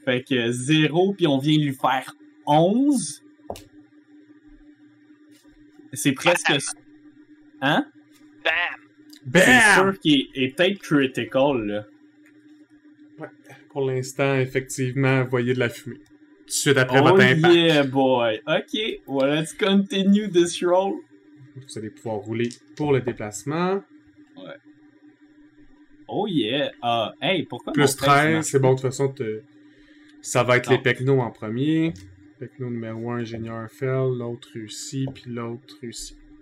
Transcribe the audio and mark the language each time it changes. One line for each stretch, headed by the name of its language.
French: Fait que 0, puis on vient lui faire 11. C'est presque... Bam. Hein? Bam! C'est sûr qu'il est peut-être critical, là. Ouais, pour l'instant, effectivement, vous voyez de la fumée. Tout de suite après votre impact.
English: Oh yeah, boy! Ok, well, let's continue this roll.
French: Vous allez pouvoir rouler pour le déplacement. Ouais.
English: Oh yeah!
French: Hey, pourquoi plus 13, c'est bon, de toute façon, ça va être non. Les Pecno en premier. Pecno numéro 1, ingénieur Fell, l'autre Russie, puis l'autre Russie.